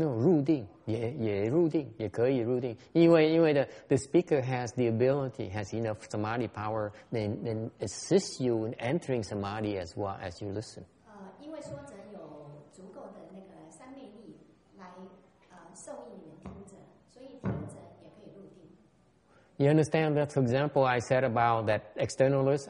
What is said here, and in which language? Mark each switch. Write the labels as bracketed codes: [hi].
[en] No, [zh] 入定也可以入定, 因为 [en] the speaker has the ability, has enough samadhi power, then assist you in entering samadhi as well as you listen. [zh] 因为说者有足够的那个三昧力来受益你们听者，所以听者也可以入定。 [en] You understand that, for example, I said about that externalist.